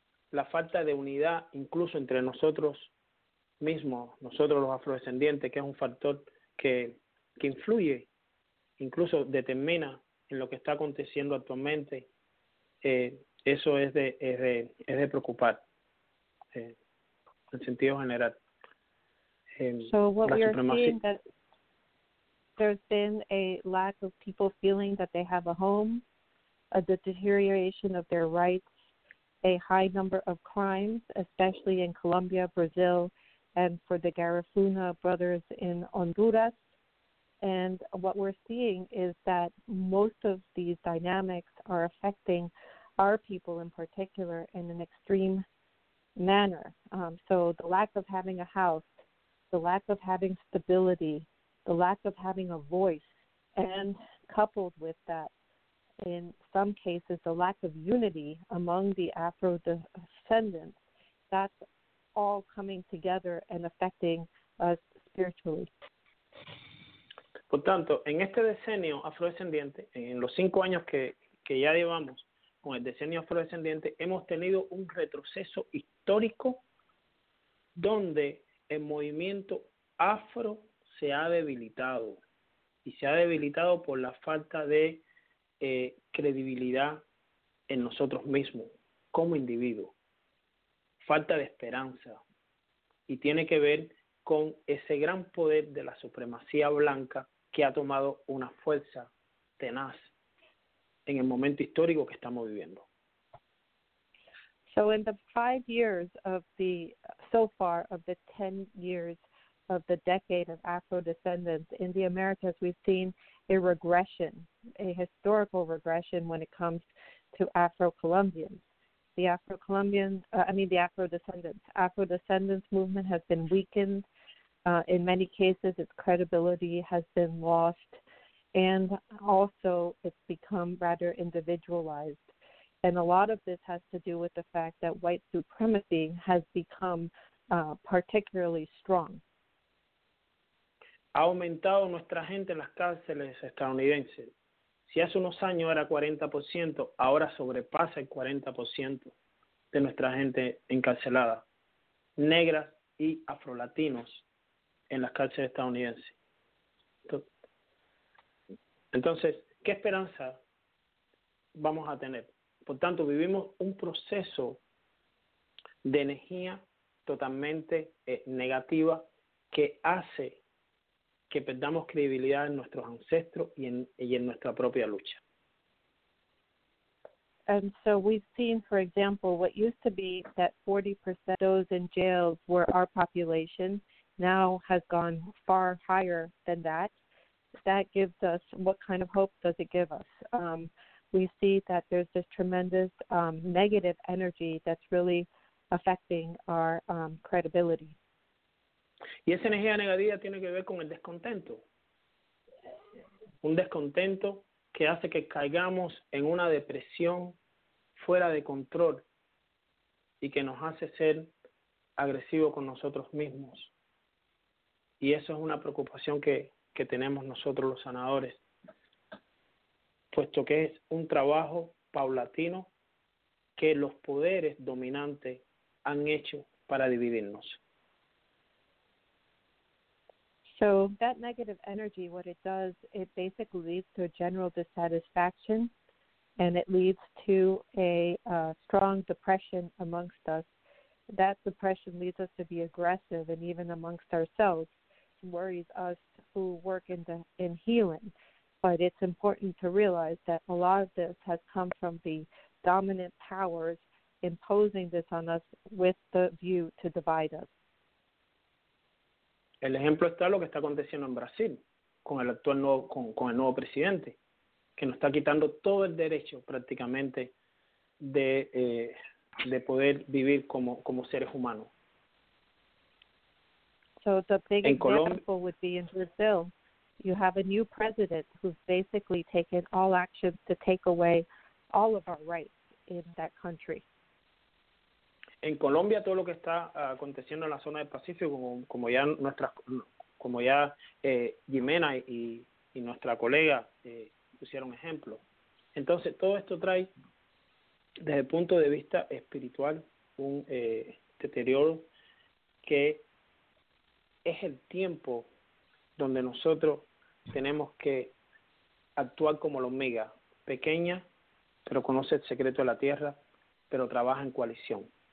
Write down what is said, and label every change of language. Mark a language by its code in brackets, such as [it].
[es] la falta de unidad incluso entre nosotros mismos, nosotros los afrodescendientes, que es un factor que influye, incluso determina en lo que está aconteciendo actualmente, eso es de preocupar, en sentido general. [en] So what we are seeing that there's been a lack of people feeling that they have a home, a deterioration of their rights, a high number of crimes, especially in Colombia, Brazil, and for the Garifuna brothers in Honduras. And what we're seeing is that most of these dynamics are affecting our people in particular in an extreme manner. So the lack of having a house, the lack of having stability, the lack of having a voice, and coupled with that, in some cases, the lack of unity among the Afro descendants, that's all coming together and affecting us spiritually. [es] Por tanto, en este decenio afrodescendiente, en los 5 años que ya llevamos con el decenio afrodescendiente, hemos tenido un retroceso histórico donde el movimiento afro se ha debilitado. Y se ha debilitado por la falta de credibilidad en nosotros mismos como individuos, falta de esperanza, y tiene que ver con ese gran poder de la supremacía blanca que ha tomado una fuerza tenaz en el momento histórico que estamos viviendo. [en] So in the 5 years of the, so far of the 10 years of the decade of Afro-descendants in the Americas, we've seen a regression, a historical regression when it comes to Afro-Colombians. The Afro-descendants movement has been weakened. In many cases, its credibility has been lost, and also it's become rather individualized. And a lot of this has to do with the fact that white supremacy has become particularly strong. [es] Ha aumentado nuestra gente en las cárceles estadounidenses. Si hace unos años era 40%, ahora sobrepasa el 40% de nuestra gente encarcelada, negras y afrolatinos en las cárceles estadounidenses. Entonces, ¿qué esperanza vamos a tener? Por tanto, vivimos un proceso de energía totalmente negativa que hace que perdamos credibilidad en nuestros ancestros y en nuestra propia lucha. [en] And so we've seen, for example, what used to be that 40% of those in jails were our population now has gone far higher than that. That gives us, what kind of hope does it give us? We see that there's this tremendous negative energy that's really affecting our credibility. [es] Y esa energía negativa tiene que ver con el descontento. Un descontento que hace que caigamos en una depresión fuera de control y que nos hace ser agresivos con nosotros mismos. Y eso es una preocupación que tenemos nosotros los sanadores, puesto que es un trabajo paulatino que los poderes dominantes han hecho para dividirnos. [en] So that negative energy, what it does, it basically leads to a general dissatisfaction, and it leads to a strong depression amongst us. That depression leads us to be aggressive, and even amongst ourselves, worries us who work in healing. But it's important to realize that a lot of this has come from the dominant powers imposing this on us with the view to divide us. [es] El ejemplo está lo que está aconteciendo en Brasil con el actual nuevo, con el nuevo presidente, que nos está quitando todo el derecho prácticamente de poder vivir como seres humanos. [en] So the big example would be in Brazil. You have a new president who's basically taken all actions to take away all of our rights in that country. [es] En Colombia, todo lo que está aconteciendo en la zona del Pacífico, como ya Gimena y nuestra colega pusieron ejemplo. Entonces, todo esto trae, desde el punto de vista espiritual, un deterioro que es el tiempo donde nosotros tenemos que actuar como la hormiga, pequeña, pero conoce el secreto de la tierra, pero trabaja en coalición.